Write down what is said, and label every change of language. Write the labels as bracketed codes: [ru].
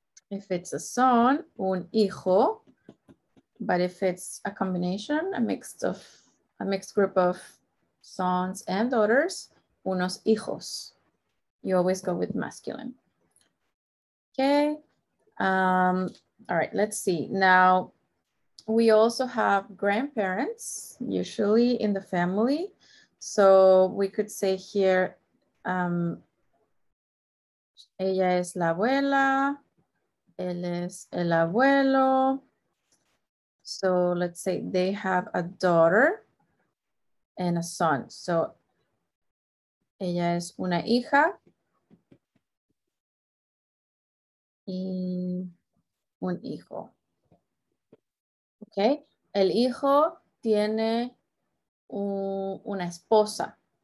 [en] If it's a son, un hijo. But if it's a combination, a mixed group of sons and daughters, unos hijos. You always go with masculine. Okay. All right, let's see. Now, we also have grandparents, usually in the family. [es] So we could say here, ella es la abuela, él es el abuelo. [en] So let's say they have a daughter and a son. [es] So ella es una hija y un hijo. Okay, el hijo tiene una esposa.